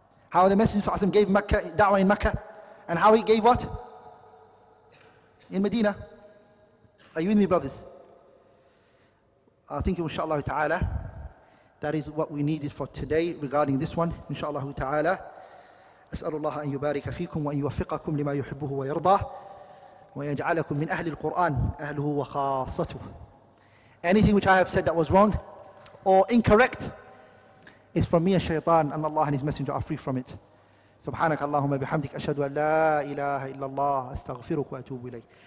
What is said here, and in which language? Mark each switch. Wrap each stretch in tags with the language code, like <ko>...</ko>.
<en>How the Messenger gave da'wah in Makkah, and how he gave what? In Medina. Are you with me, brothers? I think inshallah ta'ala, that is what we needed for today regarding this one, inshallah ta'ala.</en> <ar>أسأل الله أن يبارك فيكم وأن يوفقكم لما يحبه ويرضى ويجعلكم من أهل القرآن أهله وخاصته.</ar> <en>Anything which I have said that was wrong or incorrect is from me and shaytan, and Allah and his messenger are free from it.</en> <ar>سبحانك اللهم بحمدك أشهد أن لا إله إلا الله أستغفرك وأتوب إليك.</ar>